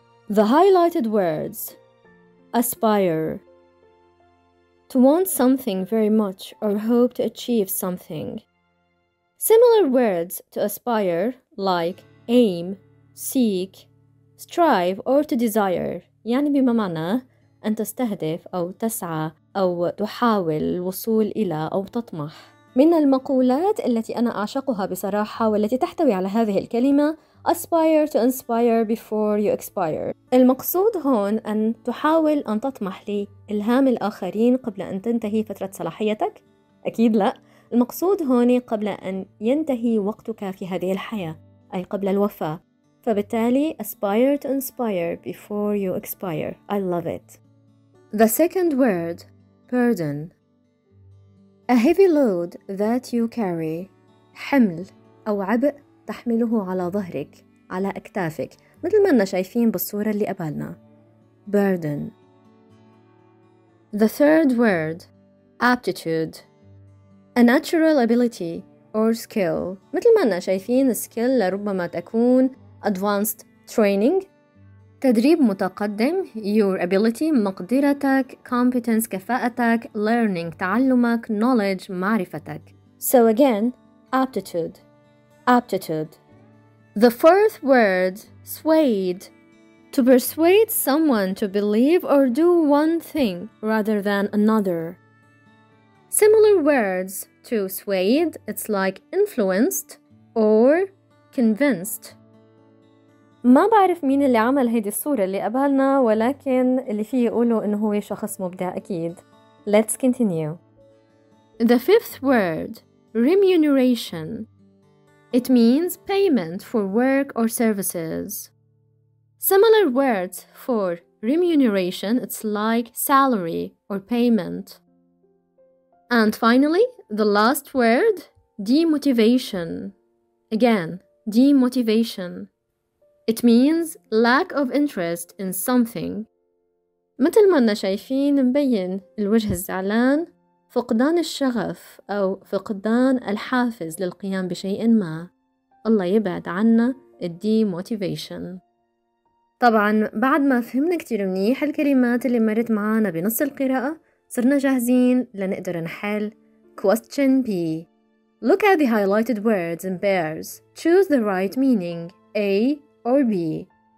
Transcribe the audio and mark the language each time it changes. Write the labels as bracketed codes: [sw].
[en] The highlighted words: aspire, to want something very much or hope to achieve something. Similar words to aspire, like aim, seek, strive, or to desire. [ar] يعني بمعنى أن تستهدف أو تسعى أو تحاول الوصول إلى أو تطمح. من المقولات التي أنا أعشقها بصراحة والتي تحتوي على هذه الكلمة [en] aspire to inspire before you expire. [ar] المقصود هون أن تحاول أن تطمح لإلهام الآخرين قبل أن تنتهي فترة صلاحيتك؟ أكيد لا. المقصود هون قبل أن ينتهي وقتك في هذه الحياة، أي قبل الوفاة. [en] فبالتالي aspire to inspire before you expire. I love it. The second word, burden. A heavy load that you carry. [ar] حمل أو عبء تحمله على ظهرك، على أكتافك، مثل ما شايفين بالصورة اللي قبلنا. [en] Burden. The third word, aptitude. A natural ability or skill. [ar] مثل ما شايفين skill لربما تكون [en] advanced training، [ar] تدريب متقدم. [en] Your ability، [ar] مقدرتك. [en] Competence، [ar] كفاءتك. [en] Learning، [ar] تعلمك. [en] Knowledge، [ar] معرفتك. [en] So again, aptitude. Aptitude. The fourth word, swayed. To persuade someone to believe or do one thing rather than another. Similar words to swayed, it's like influenced or convinced. [ar] ما بعرف مين اللي عمل هيدي الصورة اللي قبلنا، ولكن اللي فيه يقولوا انه هو شخص مبدع اكيد. [en] Let's continue. The fifth word, remuneration. It means payment for work or services. Similar words for remuneration, it's like salary or payment. And finally, the last word, demotivation. Again, demotivation. It means lack of interest in something. [ar] مثل ما شايفين مبين الوجه الزعلان، فقدان الشغف أو فقدان الحافز للقيام بشيء ما. الله يبعد عنا الديموتيفيشن. طبعاً بعد ما فهمنا كتير منيح الكلمات اللي مرت معانا بنص القراءة، صرنا جاهزين لنقدر نحل question B. [en] Look at the highlighted words and pairs. Choose the right meaning A or B.